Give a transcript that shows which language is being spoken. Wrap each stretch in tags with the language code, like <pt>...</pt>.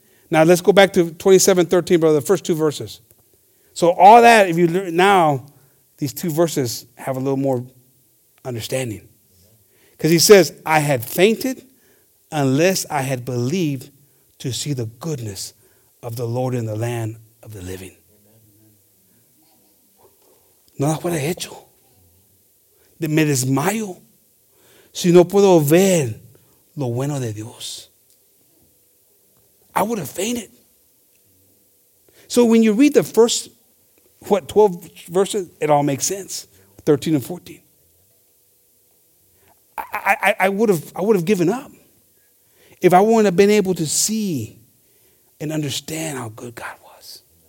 <en>Now let's go back to 27:13, brother, the first two verses. So all that, if you learn now, these two verses have a little more understanding. Because he says, I had fainted unless I had believed to see the goodness of the Lord in the land of the living. No, what I hecho.</en> <es>Me desmayo si no puedo ver lo bueno de Dios.</es> <en>I would have fainted. So when you read the first, 12 verses, it all makes sense. 13 and 14. I would have given up if I wouldn't have been able to see and understand how good God was.</en>